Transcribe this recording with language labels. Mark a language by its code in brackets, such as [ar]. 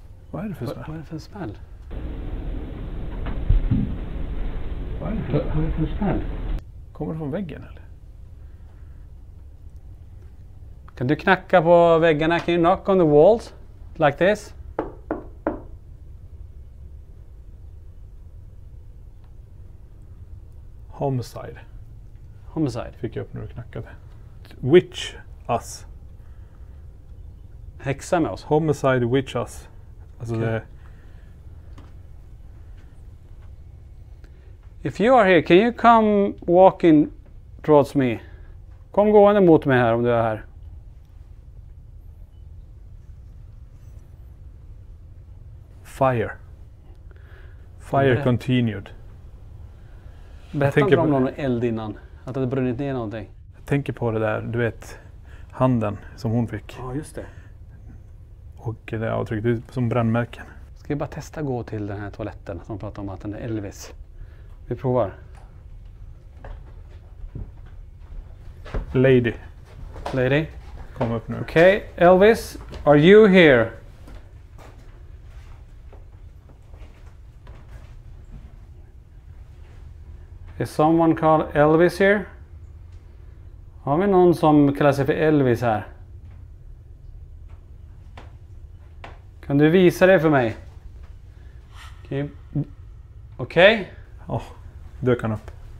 [sv] Vad är det för smäll? Vad är det för smäll? Vad är det för smäll? Kommer det från väggen eller? Kan du knacka på väggarna? [en] Can you knock on the walls like this? Homicide. Homicide. [sv] Fick jag upp när du knackade. [en] Witch us. [sv] Häxa med oss. [en] Homicide witch us. [sv] Alltså okay. Det. [en] If you are here, can you come walking towards me? [sv] Kom gående mot mig här om du är här. [en] Fire. Fire continued. [sv] Berättade du om någon eld innan? Att det hade brunnit ner någonting? Jag tänker på det där, du vet, handen som hon fick. Ja, just det. Och det avtrycket ut som brännmärken. Ska vi bara testa att gå till den här toaletten som pratar om att den är Elvis. Vi provar. [en] Lady. Lady. [sv] Kom upp nu. [en] Okay, Elvis, are you here? Is someone called Elvis here? [sv] Har vi någon som kallar sig för Elvis här? Kan du visa det för mig? Okej. Okay. Åh, dök han upp.